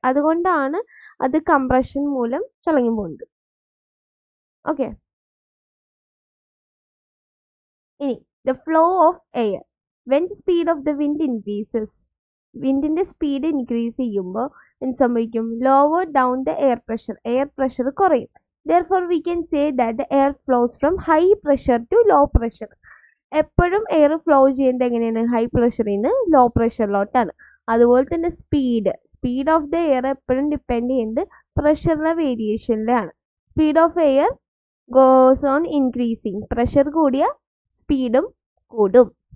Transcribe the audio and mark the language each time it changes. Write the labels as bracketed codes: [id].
[ml] അതുകൊണ്ടാണ് അത് കംപ്രഷൻ മൂലം ചളങ്ങി പോകുന്നത്. [en] Okay, ഇനി the flow of air when speed of the wind increases. [ml] വിൻഡിൻ്റെ speed increase ചെയ്യുമ്പോൾ എന്ത് സംഭവിക്കും? [en] lower down the air pressure, [ml] air pressure കുറയും. [en] Therefore, we can say that the air flows from high pressure to low pressure. [ml] എപ്പോഴും air flow ചെയ്യുന്നത് എങ്ങനെയാണ്? High പ്രഷറിൽ നിന്ന് law പ്രഷറിലോട്ടാണ്. അതുപോലെ തന്നെ സ്പീഡ് ഓഫ് ദ എയർ എപ്പോഴും ഡിപ്പെൻഡ് ചെയ്യുന്നത് പ്രഷറിലെ വേരിയേഷനിലാണ്. [en] speed of air goes on increasing, [ml] pressure കൂടിയ സ്പീഡും കൂടും.